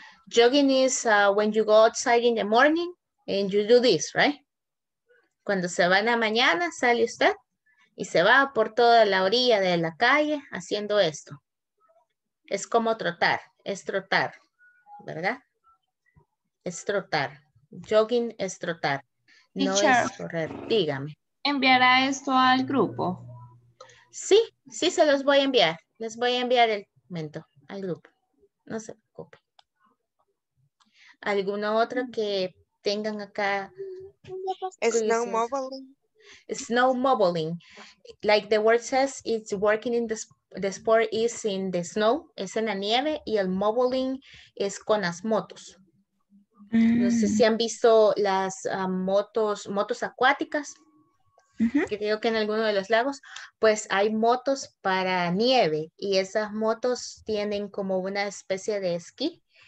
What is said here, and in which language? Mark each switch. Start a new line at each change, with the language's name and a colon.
English: Jogging is when you go outside in the morning and you do this, right?
Spanish: Cuando se va en la mañana, sale usted y se va por toda la orilla de la calle haciendo esto. Es como trotar, es trotar, ¿verdad? Es trotar. Jogging es trotar. No es correr. Dígame. ¿Enviará esto al grupo? Sí, sí se los voy a enviar. Les voy a enviar el momento al grupo. No se preocupe. ¿Alguna otra que tengan acá?
English: Snowmobiling. Snowmobiling. Like the word says, it's working in the sport is in the snow.
Spanish: Es en la nieve. Y el mobiling es con las motos. No sé si han visto las motos acuáticas, que creo que en alguno de los lagos, pues hay motos para nieve y esas motos tienen como una especie de esquí.